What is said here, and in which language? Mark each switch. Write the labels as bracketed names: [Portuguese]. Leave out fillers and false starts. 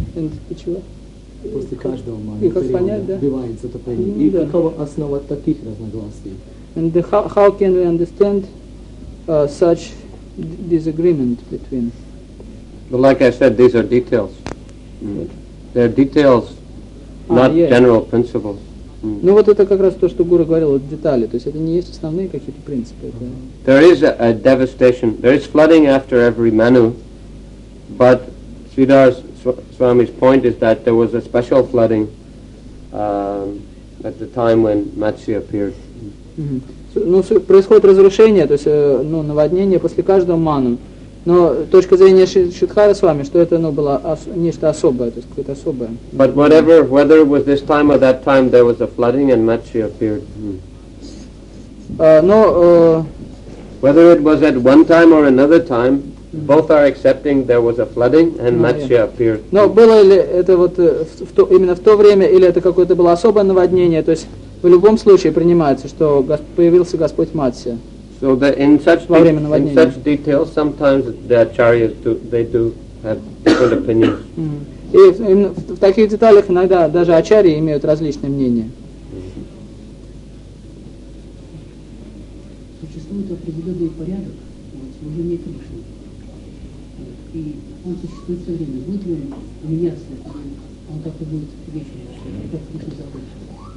[English] And each And how can we understand such disagreement between? Well, like I said, these are details. They're details, not general principles. [Russian] Ну вот это как раз то, что Гуру говорил, вот детали, то есть это не есть основные какие-то принципы. [English] There is a devastation, there is flooding after every manu, but Sridhar Swami's point is that there was a special flooding at the time when Matsya appeared. [Russian] Ну, происходит разрушение, то есть, ну, наводнение после каждого ману. Но точка зрения Шридхара Свами, что это, ну, было нечто особое, то есть какое-то особое. [English] But whatever, whether it was this time or that time, there was a flooding and Matsya appeared. Whether it was at one time or another time, both are accepting there was a flooding and Matsya appeared. [Russian] Но было ли это вот именно в то время, или это какое-то было особое наводнение, то есть в любом случае принимается, что появился Господь Матсья. So that in such details, sometimes the acharyas do, they do have different opinions. И в таких деталях иногда даже ачарьи имеют различные мнения. Существует определенный порядок служения Кришне. И он существует все время. Будет ли он меняться? Он как-то будет вечером, как Кришна закончится?